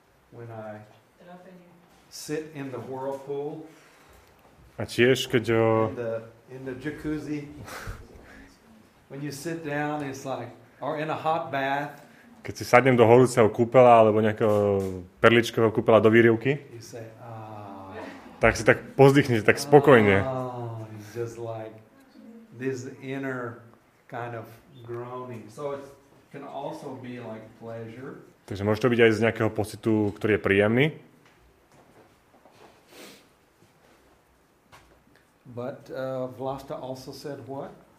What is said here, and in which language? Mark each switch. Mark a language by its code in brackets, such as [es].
[en] when I sit in the whirlpool. [sk] A tiež keď [en] in the jacuzzi. When you sit down, it's like, or in a hot bath. [sk] Keď si sadnem do horúceho kúpela alebo nejakého perličkového kúpela do výrivky. [en] You say, [sk] tak si tak pozdychnete, tak spokojne. [en] It's just like this inner kind of groaning. So it can also be like pleasure. [sk] Takže môže to byť aj z nejakého pocitu, ktorý je príjemný. [en] But Vlasta also said what?